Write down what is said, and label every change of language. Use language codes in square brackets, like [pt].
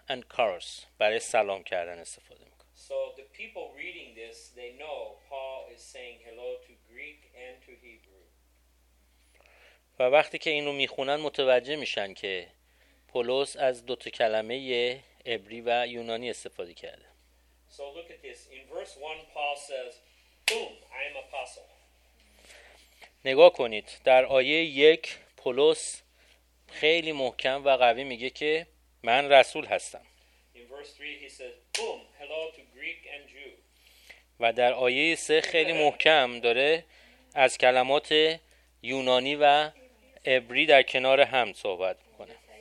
[fa] and Charis برای سلام کردن استفاده میکنه. [en] So the people reading this, they know Paul is saying hello to Greek and to Hebrew. [fa] و وقتی که اینو میخونن متوجه میشن که پولس از دو تا کلمه عبری و یونانی استفاده کرده. [en] So look at this. In verse 1 Paul says, "Boom, I am apostle." [fa] نگاه کنید، در آیه 1 پولس خیلی محکم و قوی میگه که من رسول هستم. [en] In verse 3 he says, "Boom, hello to Greek and Jew." [fa] و در آیه 3 خیلی محکم داره از کلمات یونانی و عبری در کنار هم صحبت میکنه.